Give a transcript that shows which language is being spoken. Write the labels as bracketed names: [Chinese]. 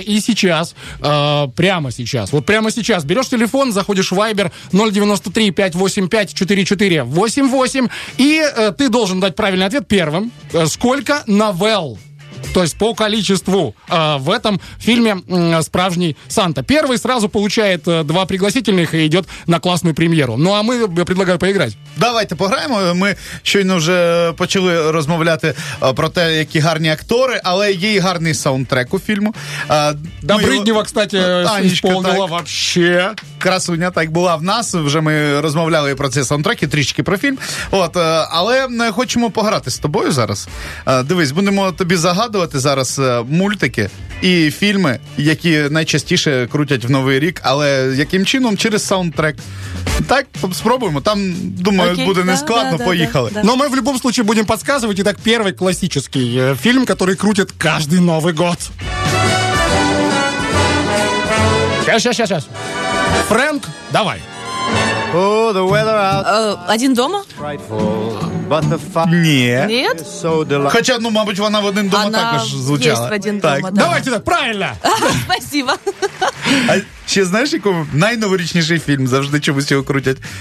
[Russian] И сейчас, прямо сейчас, вот прямо сейчас берешь телефон, заходишь в Viber 093-585-4488 и ты должен дать правильный ответ первым. Сколько новелл, то есть по количеству, в этом фильме «Справжній Санта». Первый сразу получает два пригласительных и идет на классную премьеру. Ну, а мы, я предлагаю поиграть. [Ukrainian] Давайте пограємо. Ми щойно вже почали розмовляти про те, які гарні актори, але є й гарний саундтрек у фільму. [Russian] Добриднева, кстати, исполнила вообще. [Ukrainian] Красуня так була в нас, вже ми розмовляли про цей саундтрек і трішки про фільм. От, але хочемо пограти з тобою зараз. Дивись, будемо тобі загадувати зараз мультики і фільми, які найчастіше крутять в Новий рік, але яким чином? Через саундтрек. Так, спробуємо. Там, думаю, окей, буде нескладно, да, поїхали. Да. [Russian] Но мы в любом случае будем подсказывать. Итак, первый классический фильм, который крутит каждый Новый год. Сейчас. Фрэнк, давай. Один дома? Нет. Хотя, ну, может быть, она в один дома так уж звучала. Она есть в один так. дома, да. Давайте так, правильно. Спасибо. [Ukrainian] А ще [Russian] знаешь, какой [Ukrainian] найноворічніший фильм? Завжди чомусь його крутять.